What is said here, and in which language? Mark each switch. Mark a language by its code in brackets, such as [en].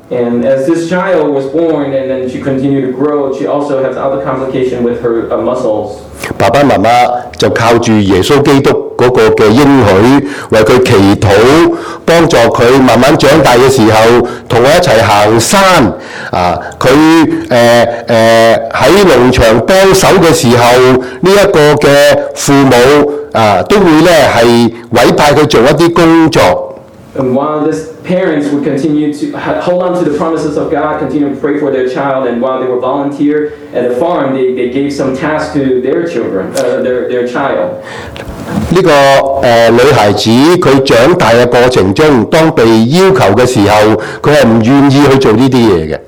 [en] And as this child was born, and then she continued to grow, she also has other complications with her muscles. [yue] 爸爸媽媽就靠住耶穌基督嗰個嘅應許，為佢祈禱，幫助佢慢慢長大嘅時候，同我一齊行山。啊，佢喺農場幫手嘅時候，呢一個嘅父母都會咧係委派佢做一啲工作。 [en] And while these parents would continue to hold on to the promises of God, continue to pray for their child, and while they were volunteer at the farm, they gave some tasks to their children, their child. [yue] 呢個女孩子佢長大嘅過程中，當被要求嘅時候，佢係唔願意去做呢啲嘢嘅。